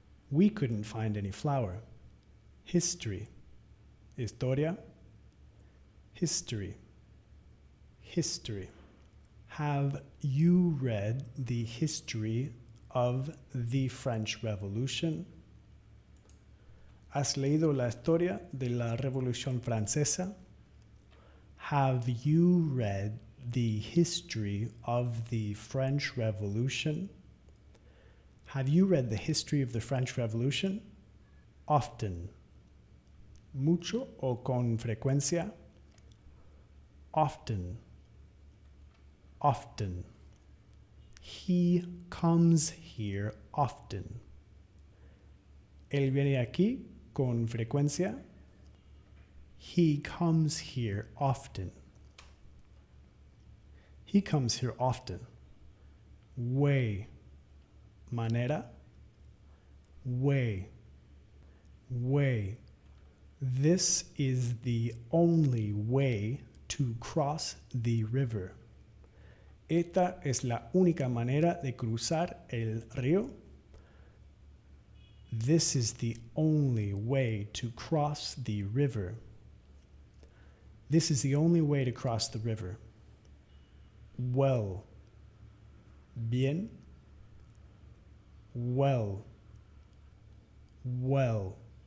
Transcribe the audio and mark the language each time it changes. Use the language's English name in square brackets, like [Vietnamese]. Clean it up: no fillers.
[English] We couldn't find any flour. History. Historia. History. History. Have you read the history of the French Revolution? [Spanish] ¿Has leído la historia de la Revolución Francesa? [English] Have you read the history of the French Revolution? Have you read the history of the French Revolution? [Spanish] Often. Mucho o con frecuencia. [English] Often. Often. He comes here often. [Spanish] Él viene aquí con frecuencia. [English] He comes here often. He comes here often. Way. Manera. Way. Way. This is the only way to cross the river. [Spanish] Esta es la única manera de cruzar el río. [English] This is the only way to cross the river. This is the only way to cross the river. Well. Bien. well. Well.